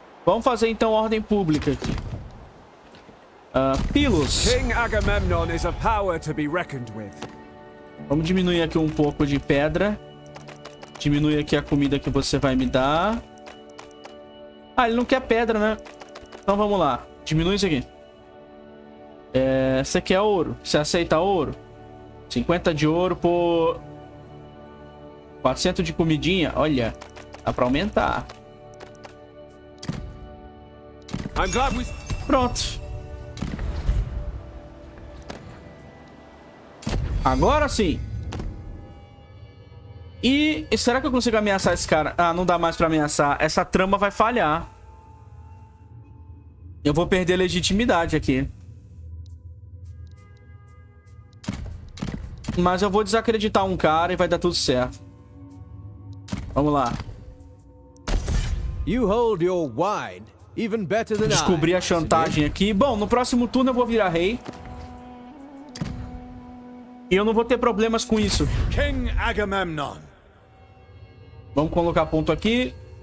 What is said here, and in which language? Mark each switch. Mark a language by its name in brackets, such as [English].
[Portuguese] Vamos fazer então ordem pública aqui. Pilos. [English] King Agamemnon is a power to be reckoned with. [Portuguese] Vamos diminuir aqui um pouco de pedra. Diminui aqui a comida que você vai me dar. Ah, ele não quer pedra, né? Então vamos lá. Diminui isso aqui. Você quer ouro? Você aceita ouro? 50 de ouro por 400 de comidinha. Olha, dá pra aumentar. Pronto. Agora sim. E será que eu consigo ameaçar esse cara? Ah, não dá mais pra ameaçar. Essa trama vai falhar. Eu vou perder a legitimidade aqui. Mas eu vou desacreditar um cara e vai dar tudo certo. Vamos lá. [English] You hold your wine even better than I. [Portuguese] Descobri a chantagem aqui. Bom, no próximo turno eu vou virar rei. E eu não vou ter problemas com isso. [English] King Agamemnon. [Portuguese] Vamos colocar ponto aqui.